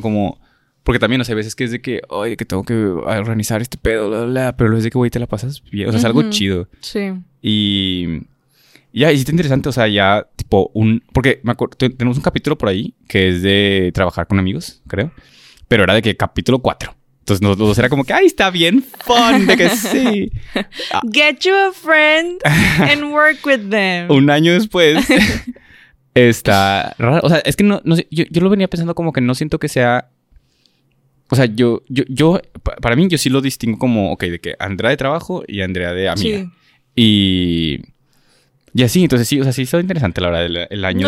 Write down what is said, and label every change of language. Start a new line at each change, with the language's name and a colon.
Spanish: Como, porque también, o sea, hay veces que es de que, ay, que tengo que organizar este pedo, bla, bla, bla, pero es de que, güey, te la pasas bien. O sea, es algo chido. Sí. Y ya, y sí está interesante, o sea, ya, tipo, porque me acuerdo, tenemos un capítulo por ahí, que es de trabajar con amigos, creo, pero era de que capítulo 4, entonces nosotros dos era como que, ay, está bien fun, de que sí.
English: Get you a friend and work with them.
Spanish: Un año después, está raro, o sea, es que no sé, yo lo venía pensando como que no siento que sea, o sea, yo, para mí, yo sí lo distingo como, ok, de que Andrea de trabajo y Andrea de amiga. Sí. Y así, entonces sí, o sea, sí, es interesante la verdad, el año.